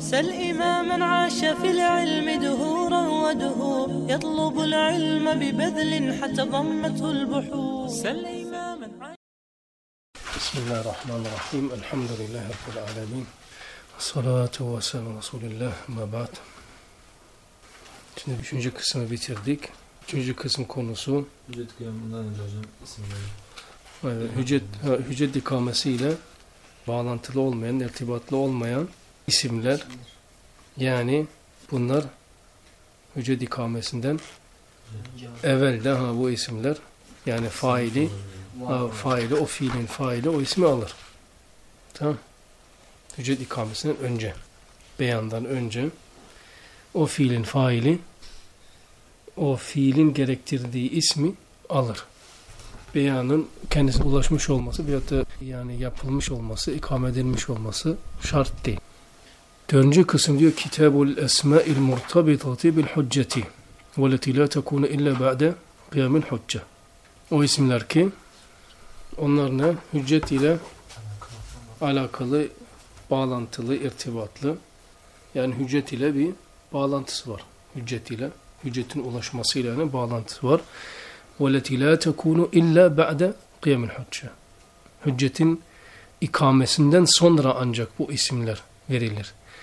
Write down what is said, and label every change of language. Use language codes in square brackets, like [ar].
[ar] سل إماما عاش في العلم دهورا ودهور يطلب العلم ببذل حتى ضمته البحور. سل بسم الله الرحمن الرحيم. الحمد لله رب العالمين والصلاة والسلام على رسول الله. ما بعد. [tr] Şimdi üçüncü kısmı bitirdik. Üçüncü kısım konusu Hüccet kıyamından önce hocam isimleri. Evet, Hüccet ikamesi ile bağlantılı olmayan, irtibatlı olmayan isimler. Yani bunlar Hüccet ikamesinden evvelde bu isimler. Yani faili, faili, o fiilin faili o ismi alır. Tamam. Hüccet ikamesinden önce, beyandan önce o fiilin faili, o fiilin gerektirdiği ismi alır. Beyanın kendisine ulaşmış olması veyahut da yani yapılmış olması, ikame edilmiş olması şart değil. [ar] Dördüncü kısım diyor, كِتَابُ الْاَسْمَاءِ الْمُرْتَبِطَةِ بِالْحُجَّةِ وَالَتِي لَا تَكُونَ اِلَّا بَعْدَ قِيَامِ الْحُجَّةِ. [tr] O isimler ki, onlar ne? Hüccet ile alakalı, bağlantılı, irtibatlı. Yani hüccet ile bir bağlantısı var. Hüccet ile, hüccetin ulaşmasıyla ne bağlantısı var. [ar] وَلَتِي لَا تَكُونُ اِلَّا بَعْدَ قِيَمِ الْحُجَّةِ. [tr] Hüccetin ikamesinden sonra ancak bu isimler verilir.